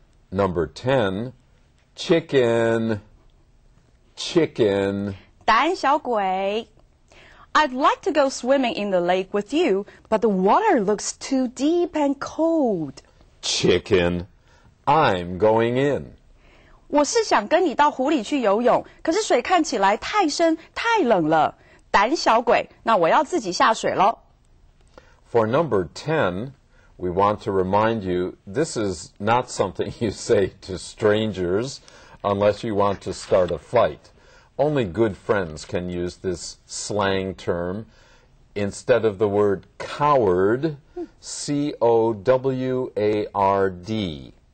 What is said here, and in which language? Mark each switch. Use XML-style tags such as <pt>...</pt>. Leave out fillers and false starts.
<en>Number 10, chicken, chicken.</en> <zh>胆小鬼。</zh> <en>I'd like to go swimming in the lake with you, but the water looks too deep and cold. Chicken, I'm going in.</en> <zh>我是想跟你到湖里去游泳，可是水看起来太深，太冷了。胆小鬼，那我要自己下水咯。</zh> <en>For number 10, we want to remind you, this is not something you say to strangers unless you want to start a fight. Only good friends can use this slang term. Instead of the word coward, C-O-W-A-R-D.</en>